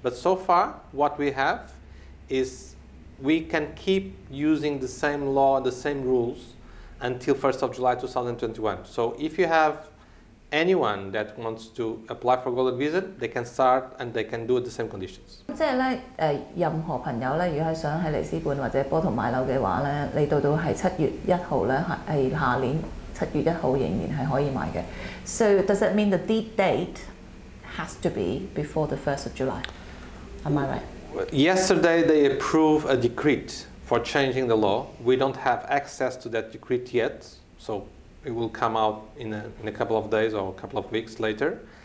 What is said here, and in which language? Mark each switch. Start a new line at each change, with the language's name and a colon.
English: But so far what we have is we can keep using the same law, the same rules until 1st of July 2021. So if you have anyone that wants to apply for Golden Visa, they can start and they can do the same conditions.
Cantonese: 即係咧，任何朋友咧，如果係想喺里斯本或者波圖買樓嘅話咧，你到係7月1日咧，係下年7月1日仍然係可以買嘅。
English: So does that mean the due date has to be before the 1st of July? Am I right? Yesterday they approved a decree. For changing the law, we don't have access to that decree yet, so it will come out in a couple of days or a couple of weeks later.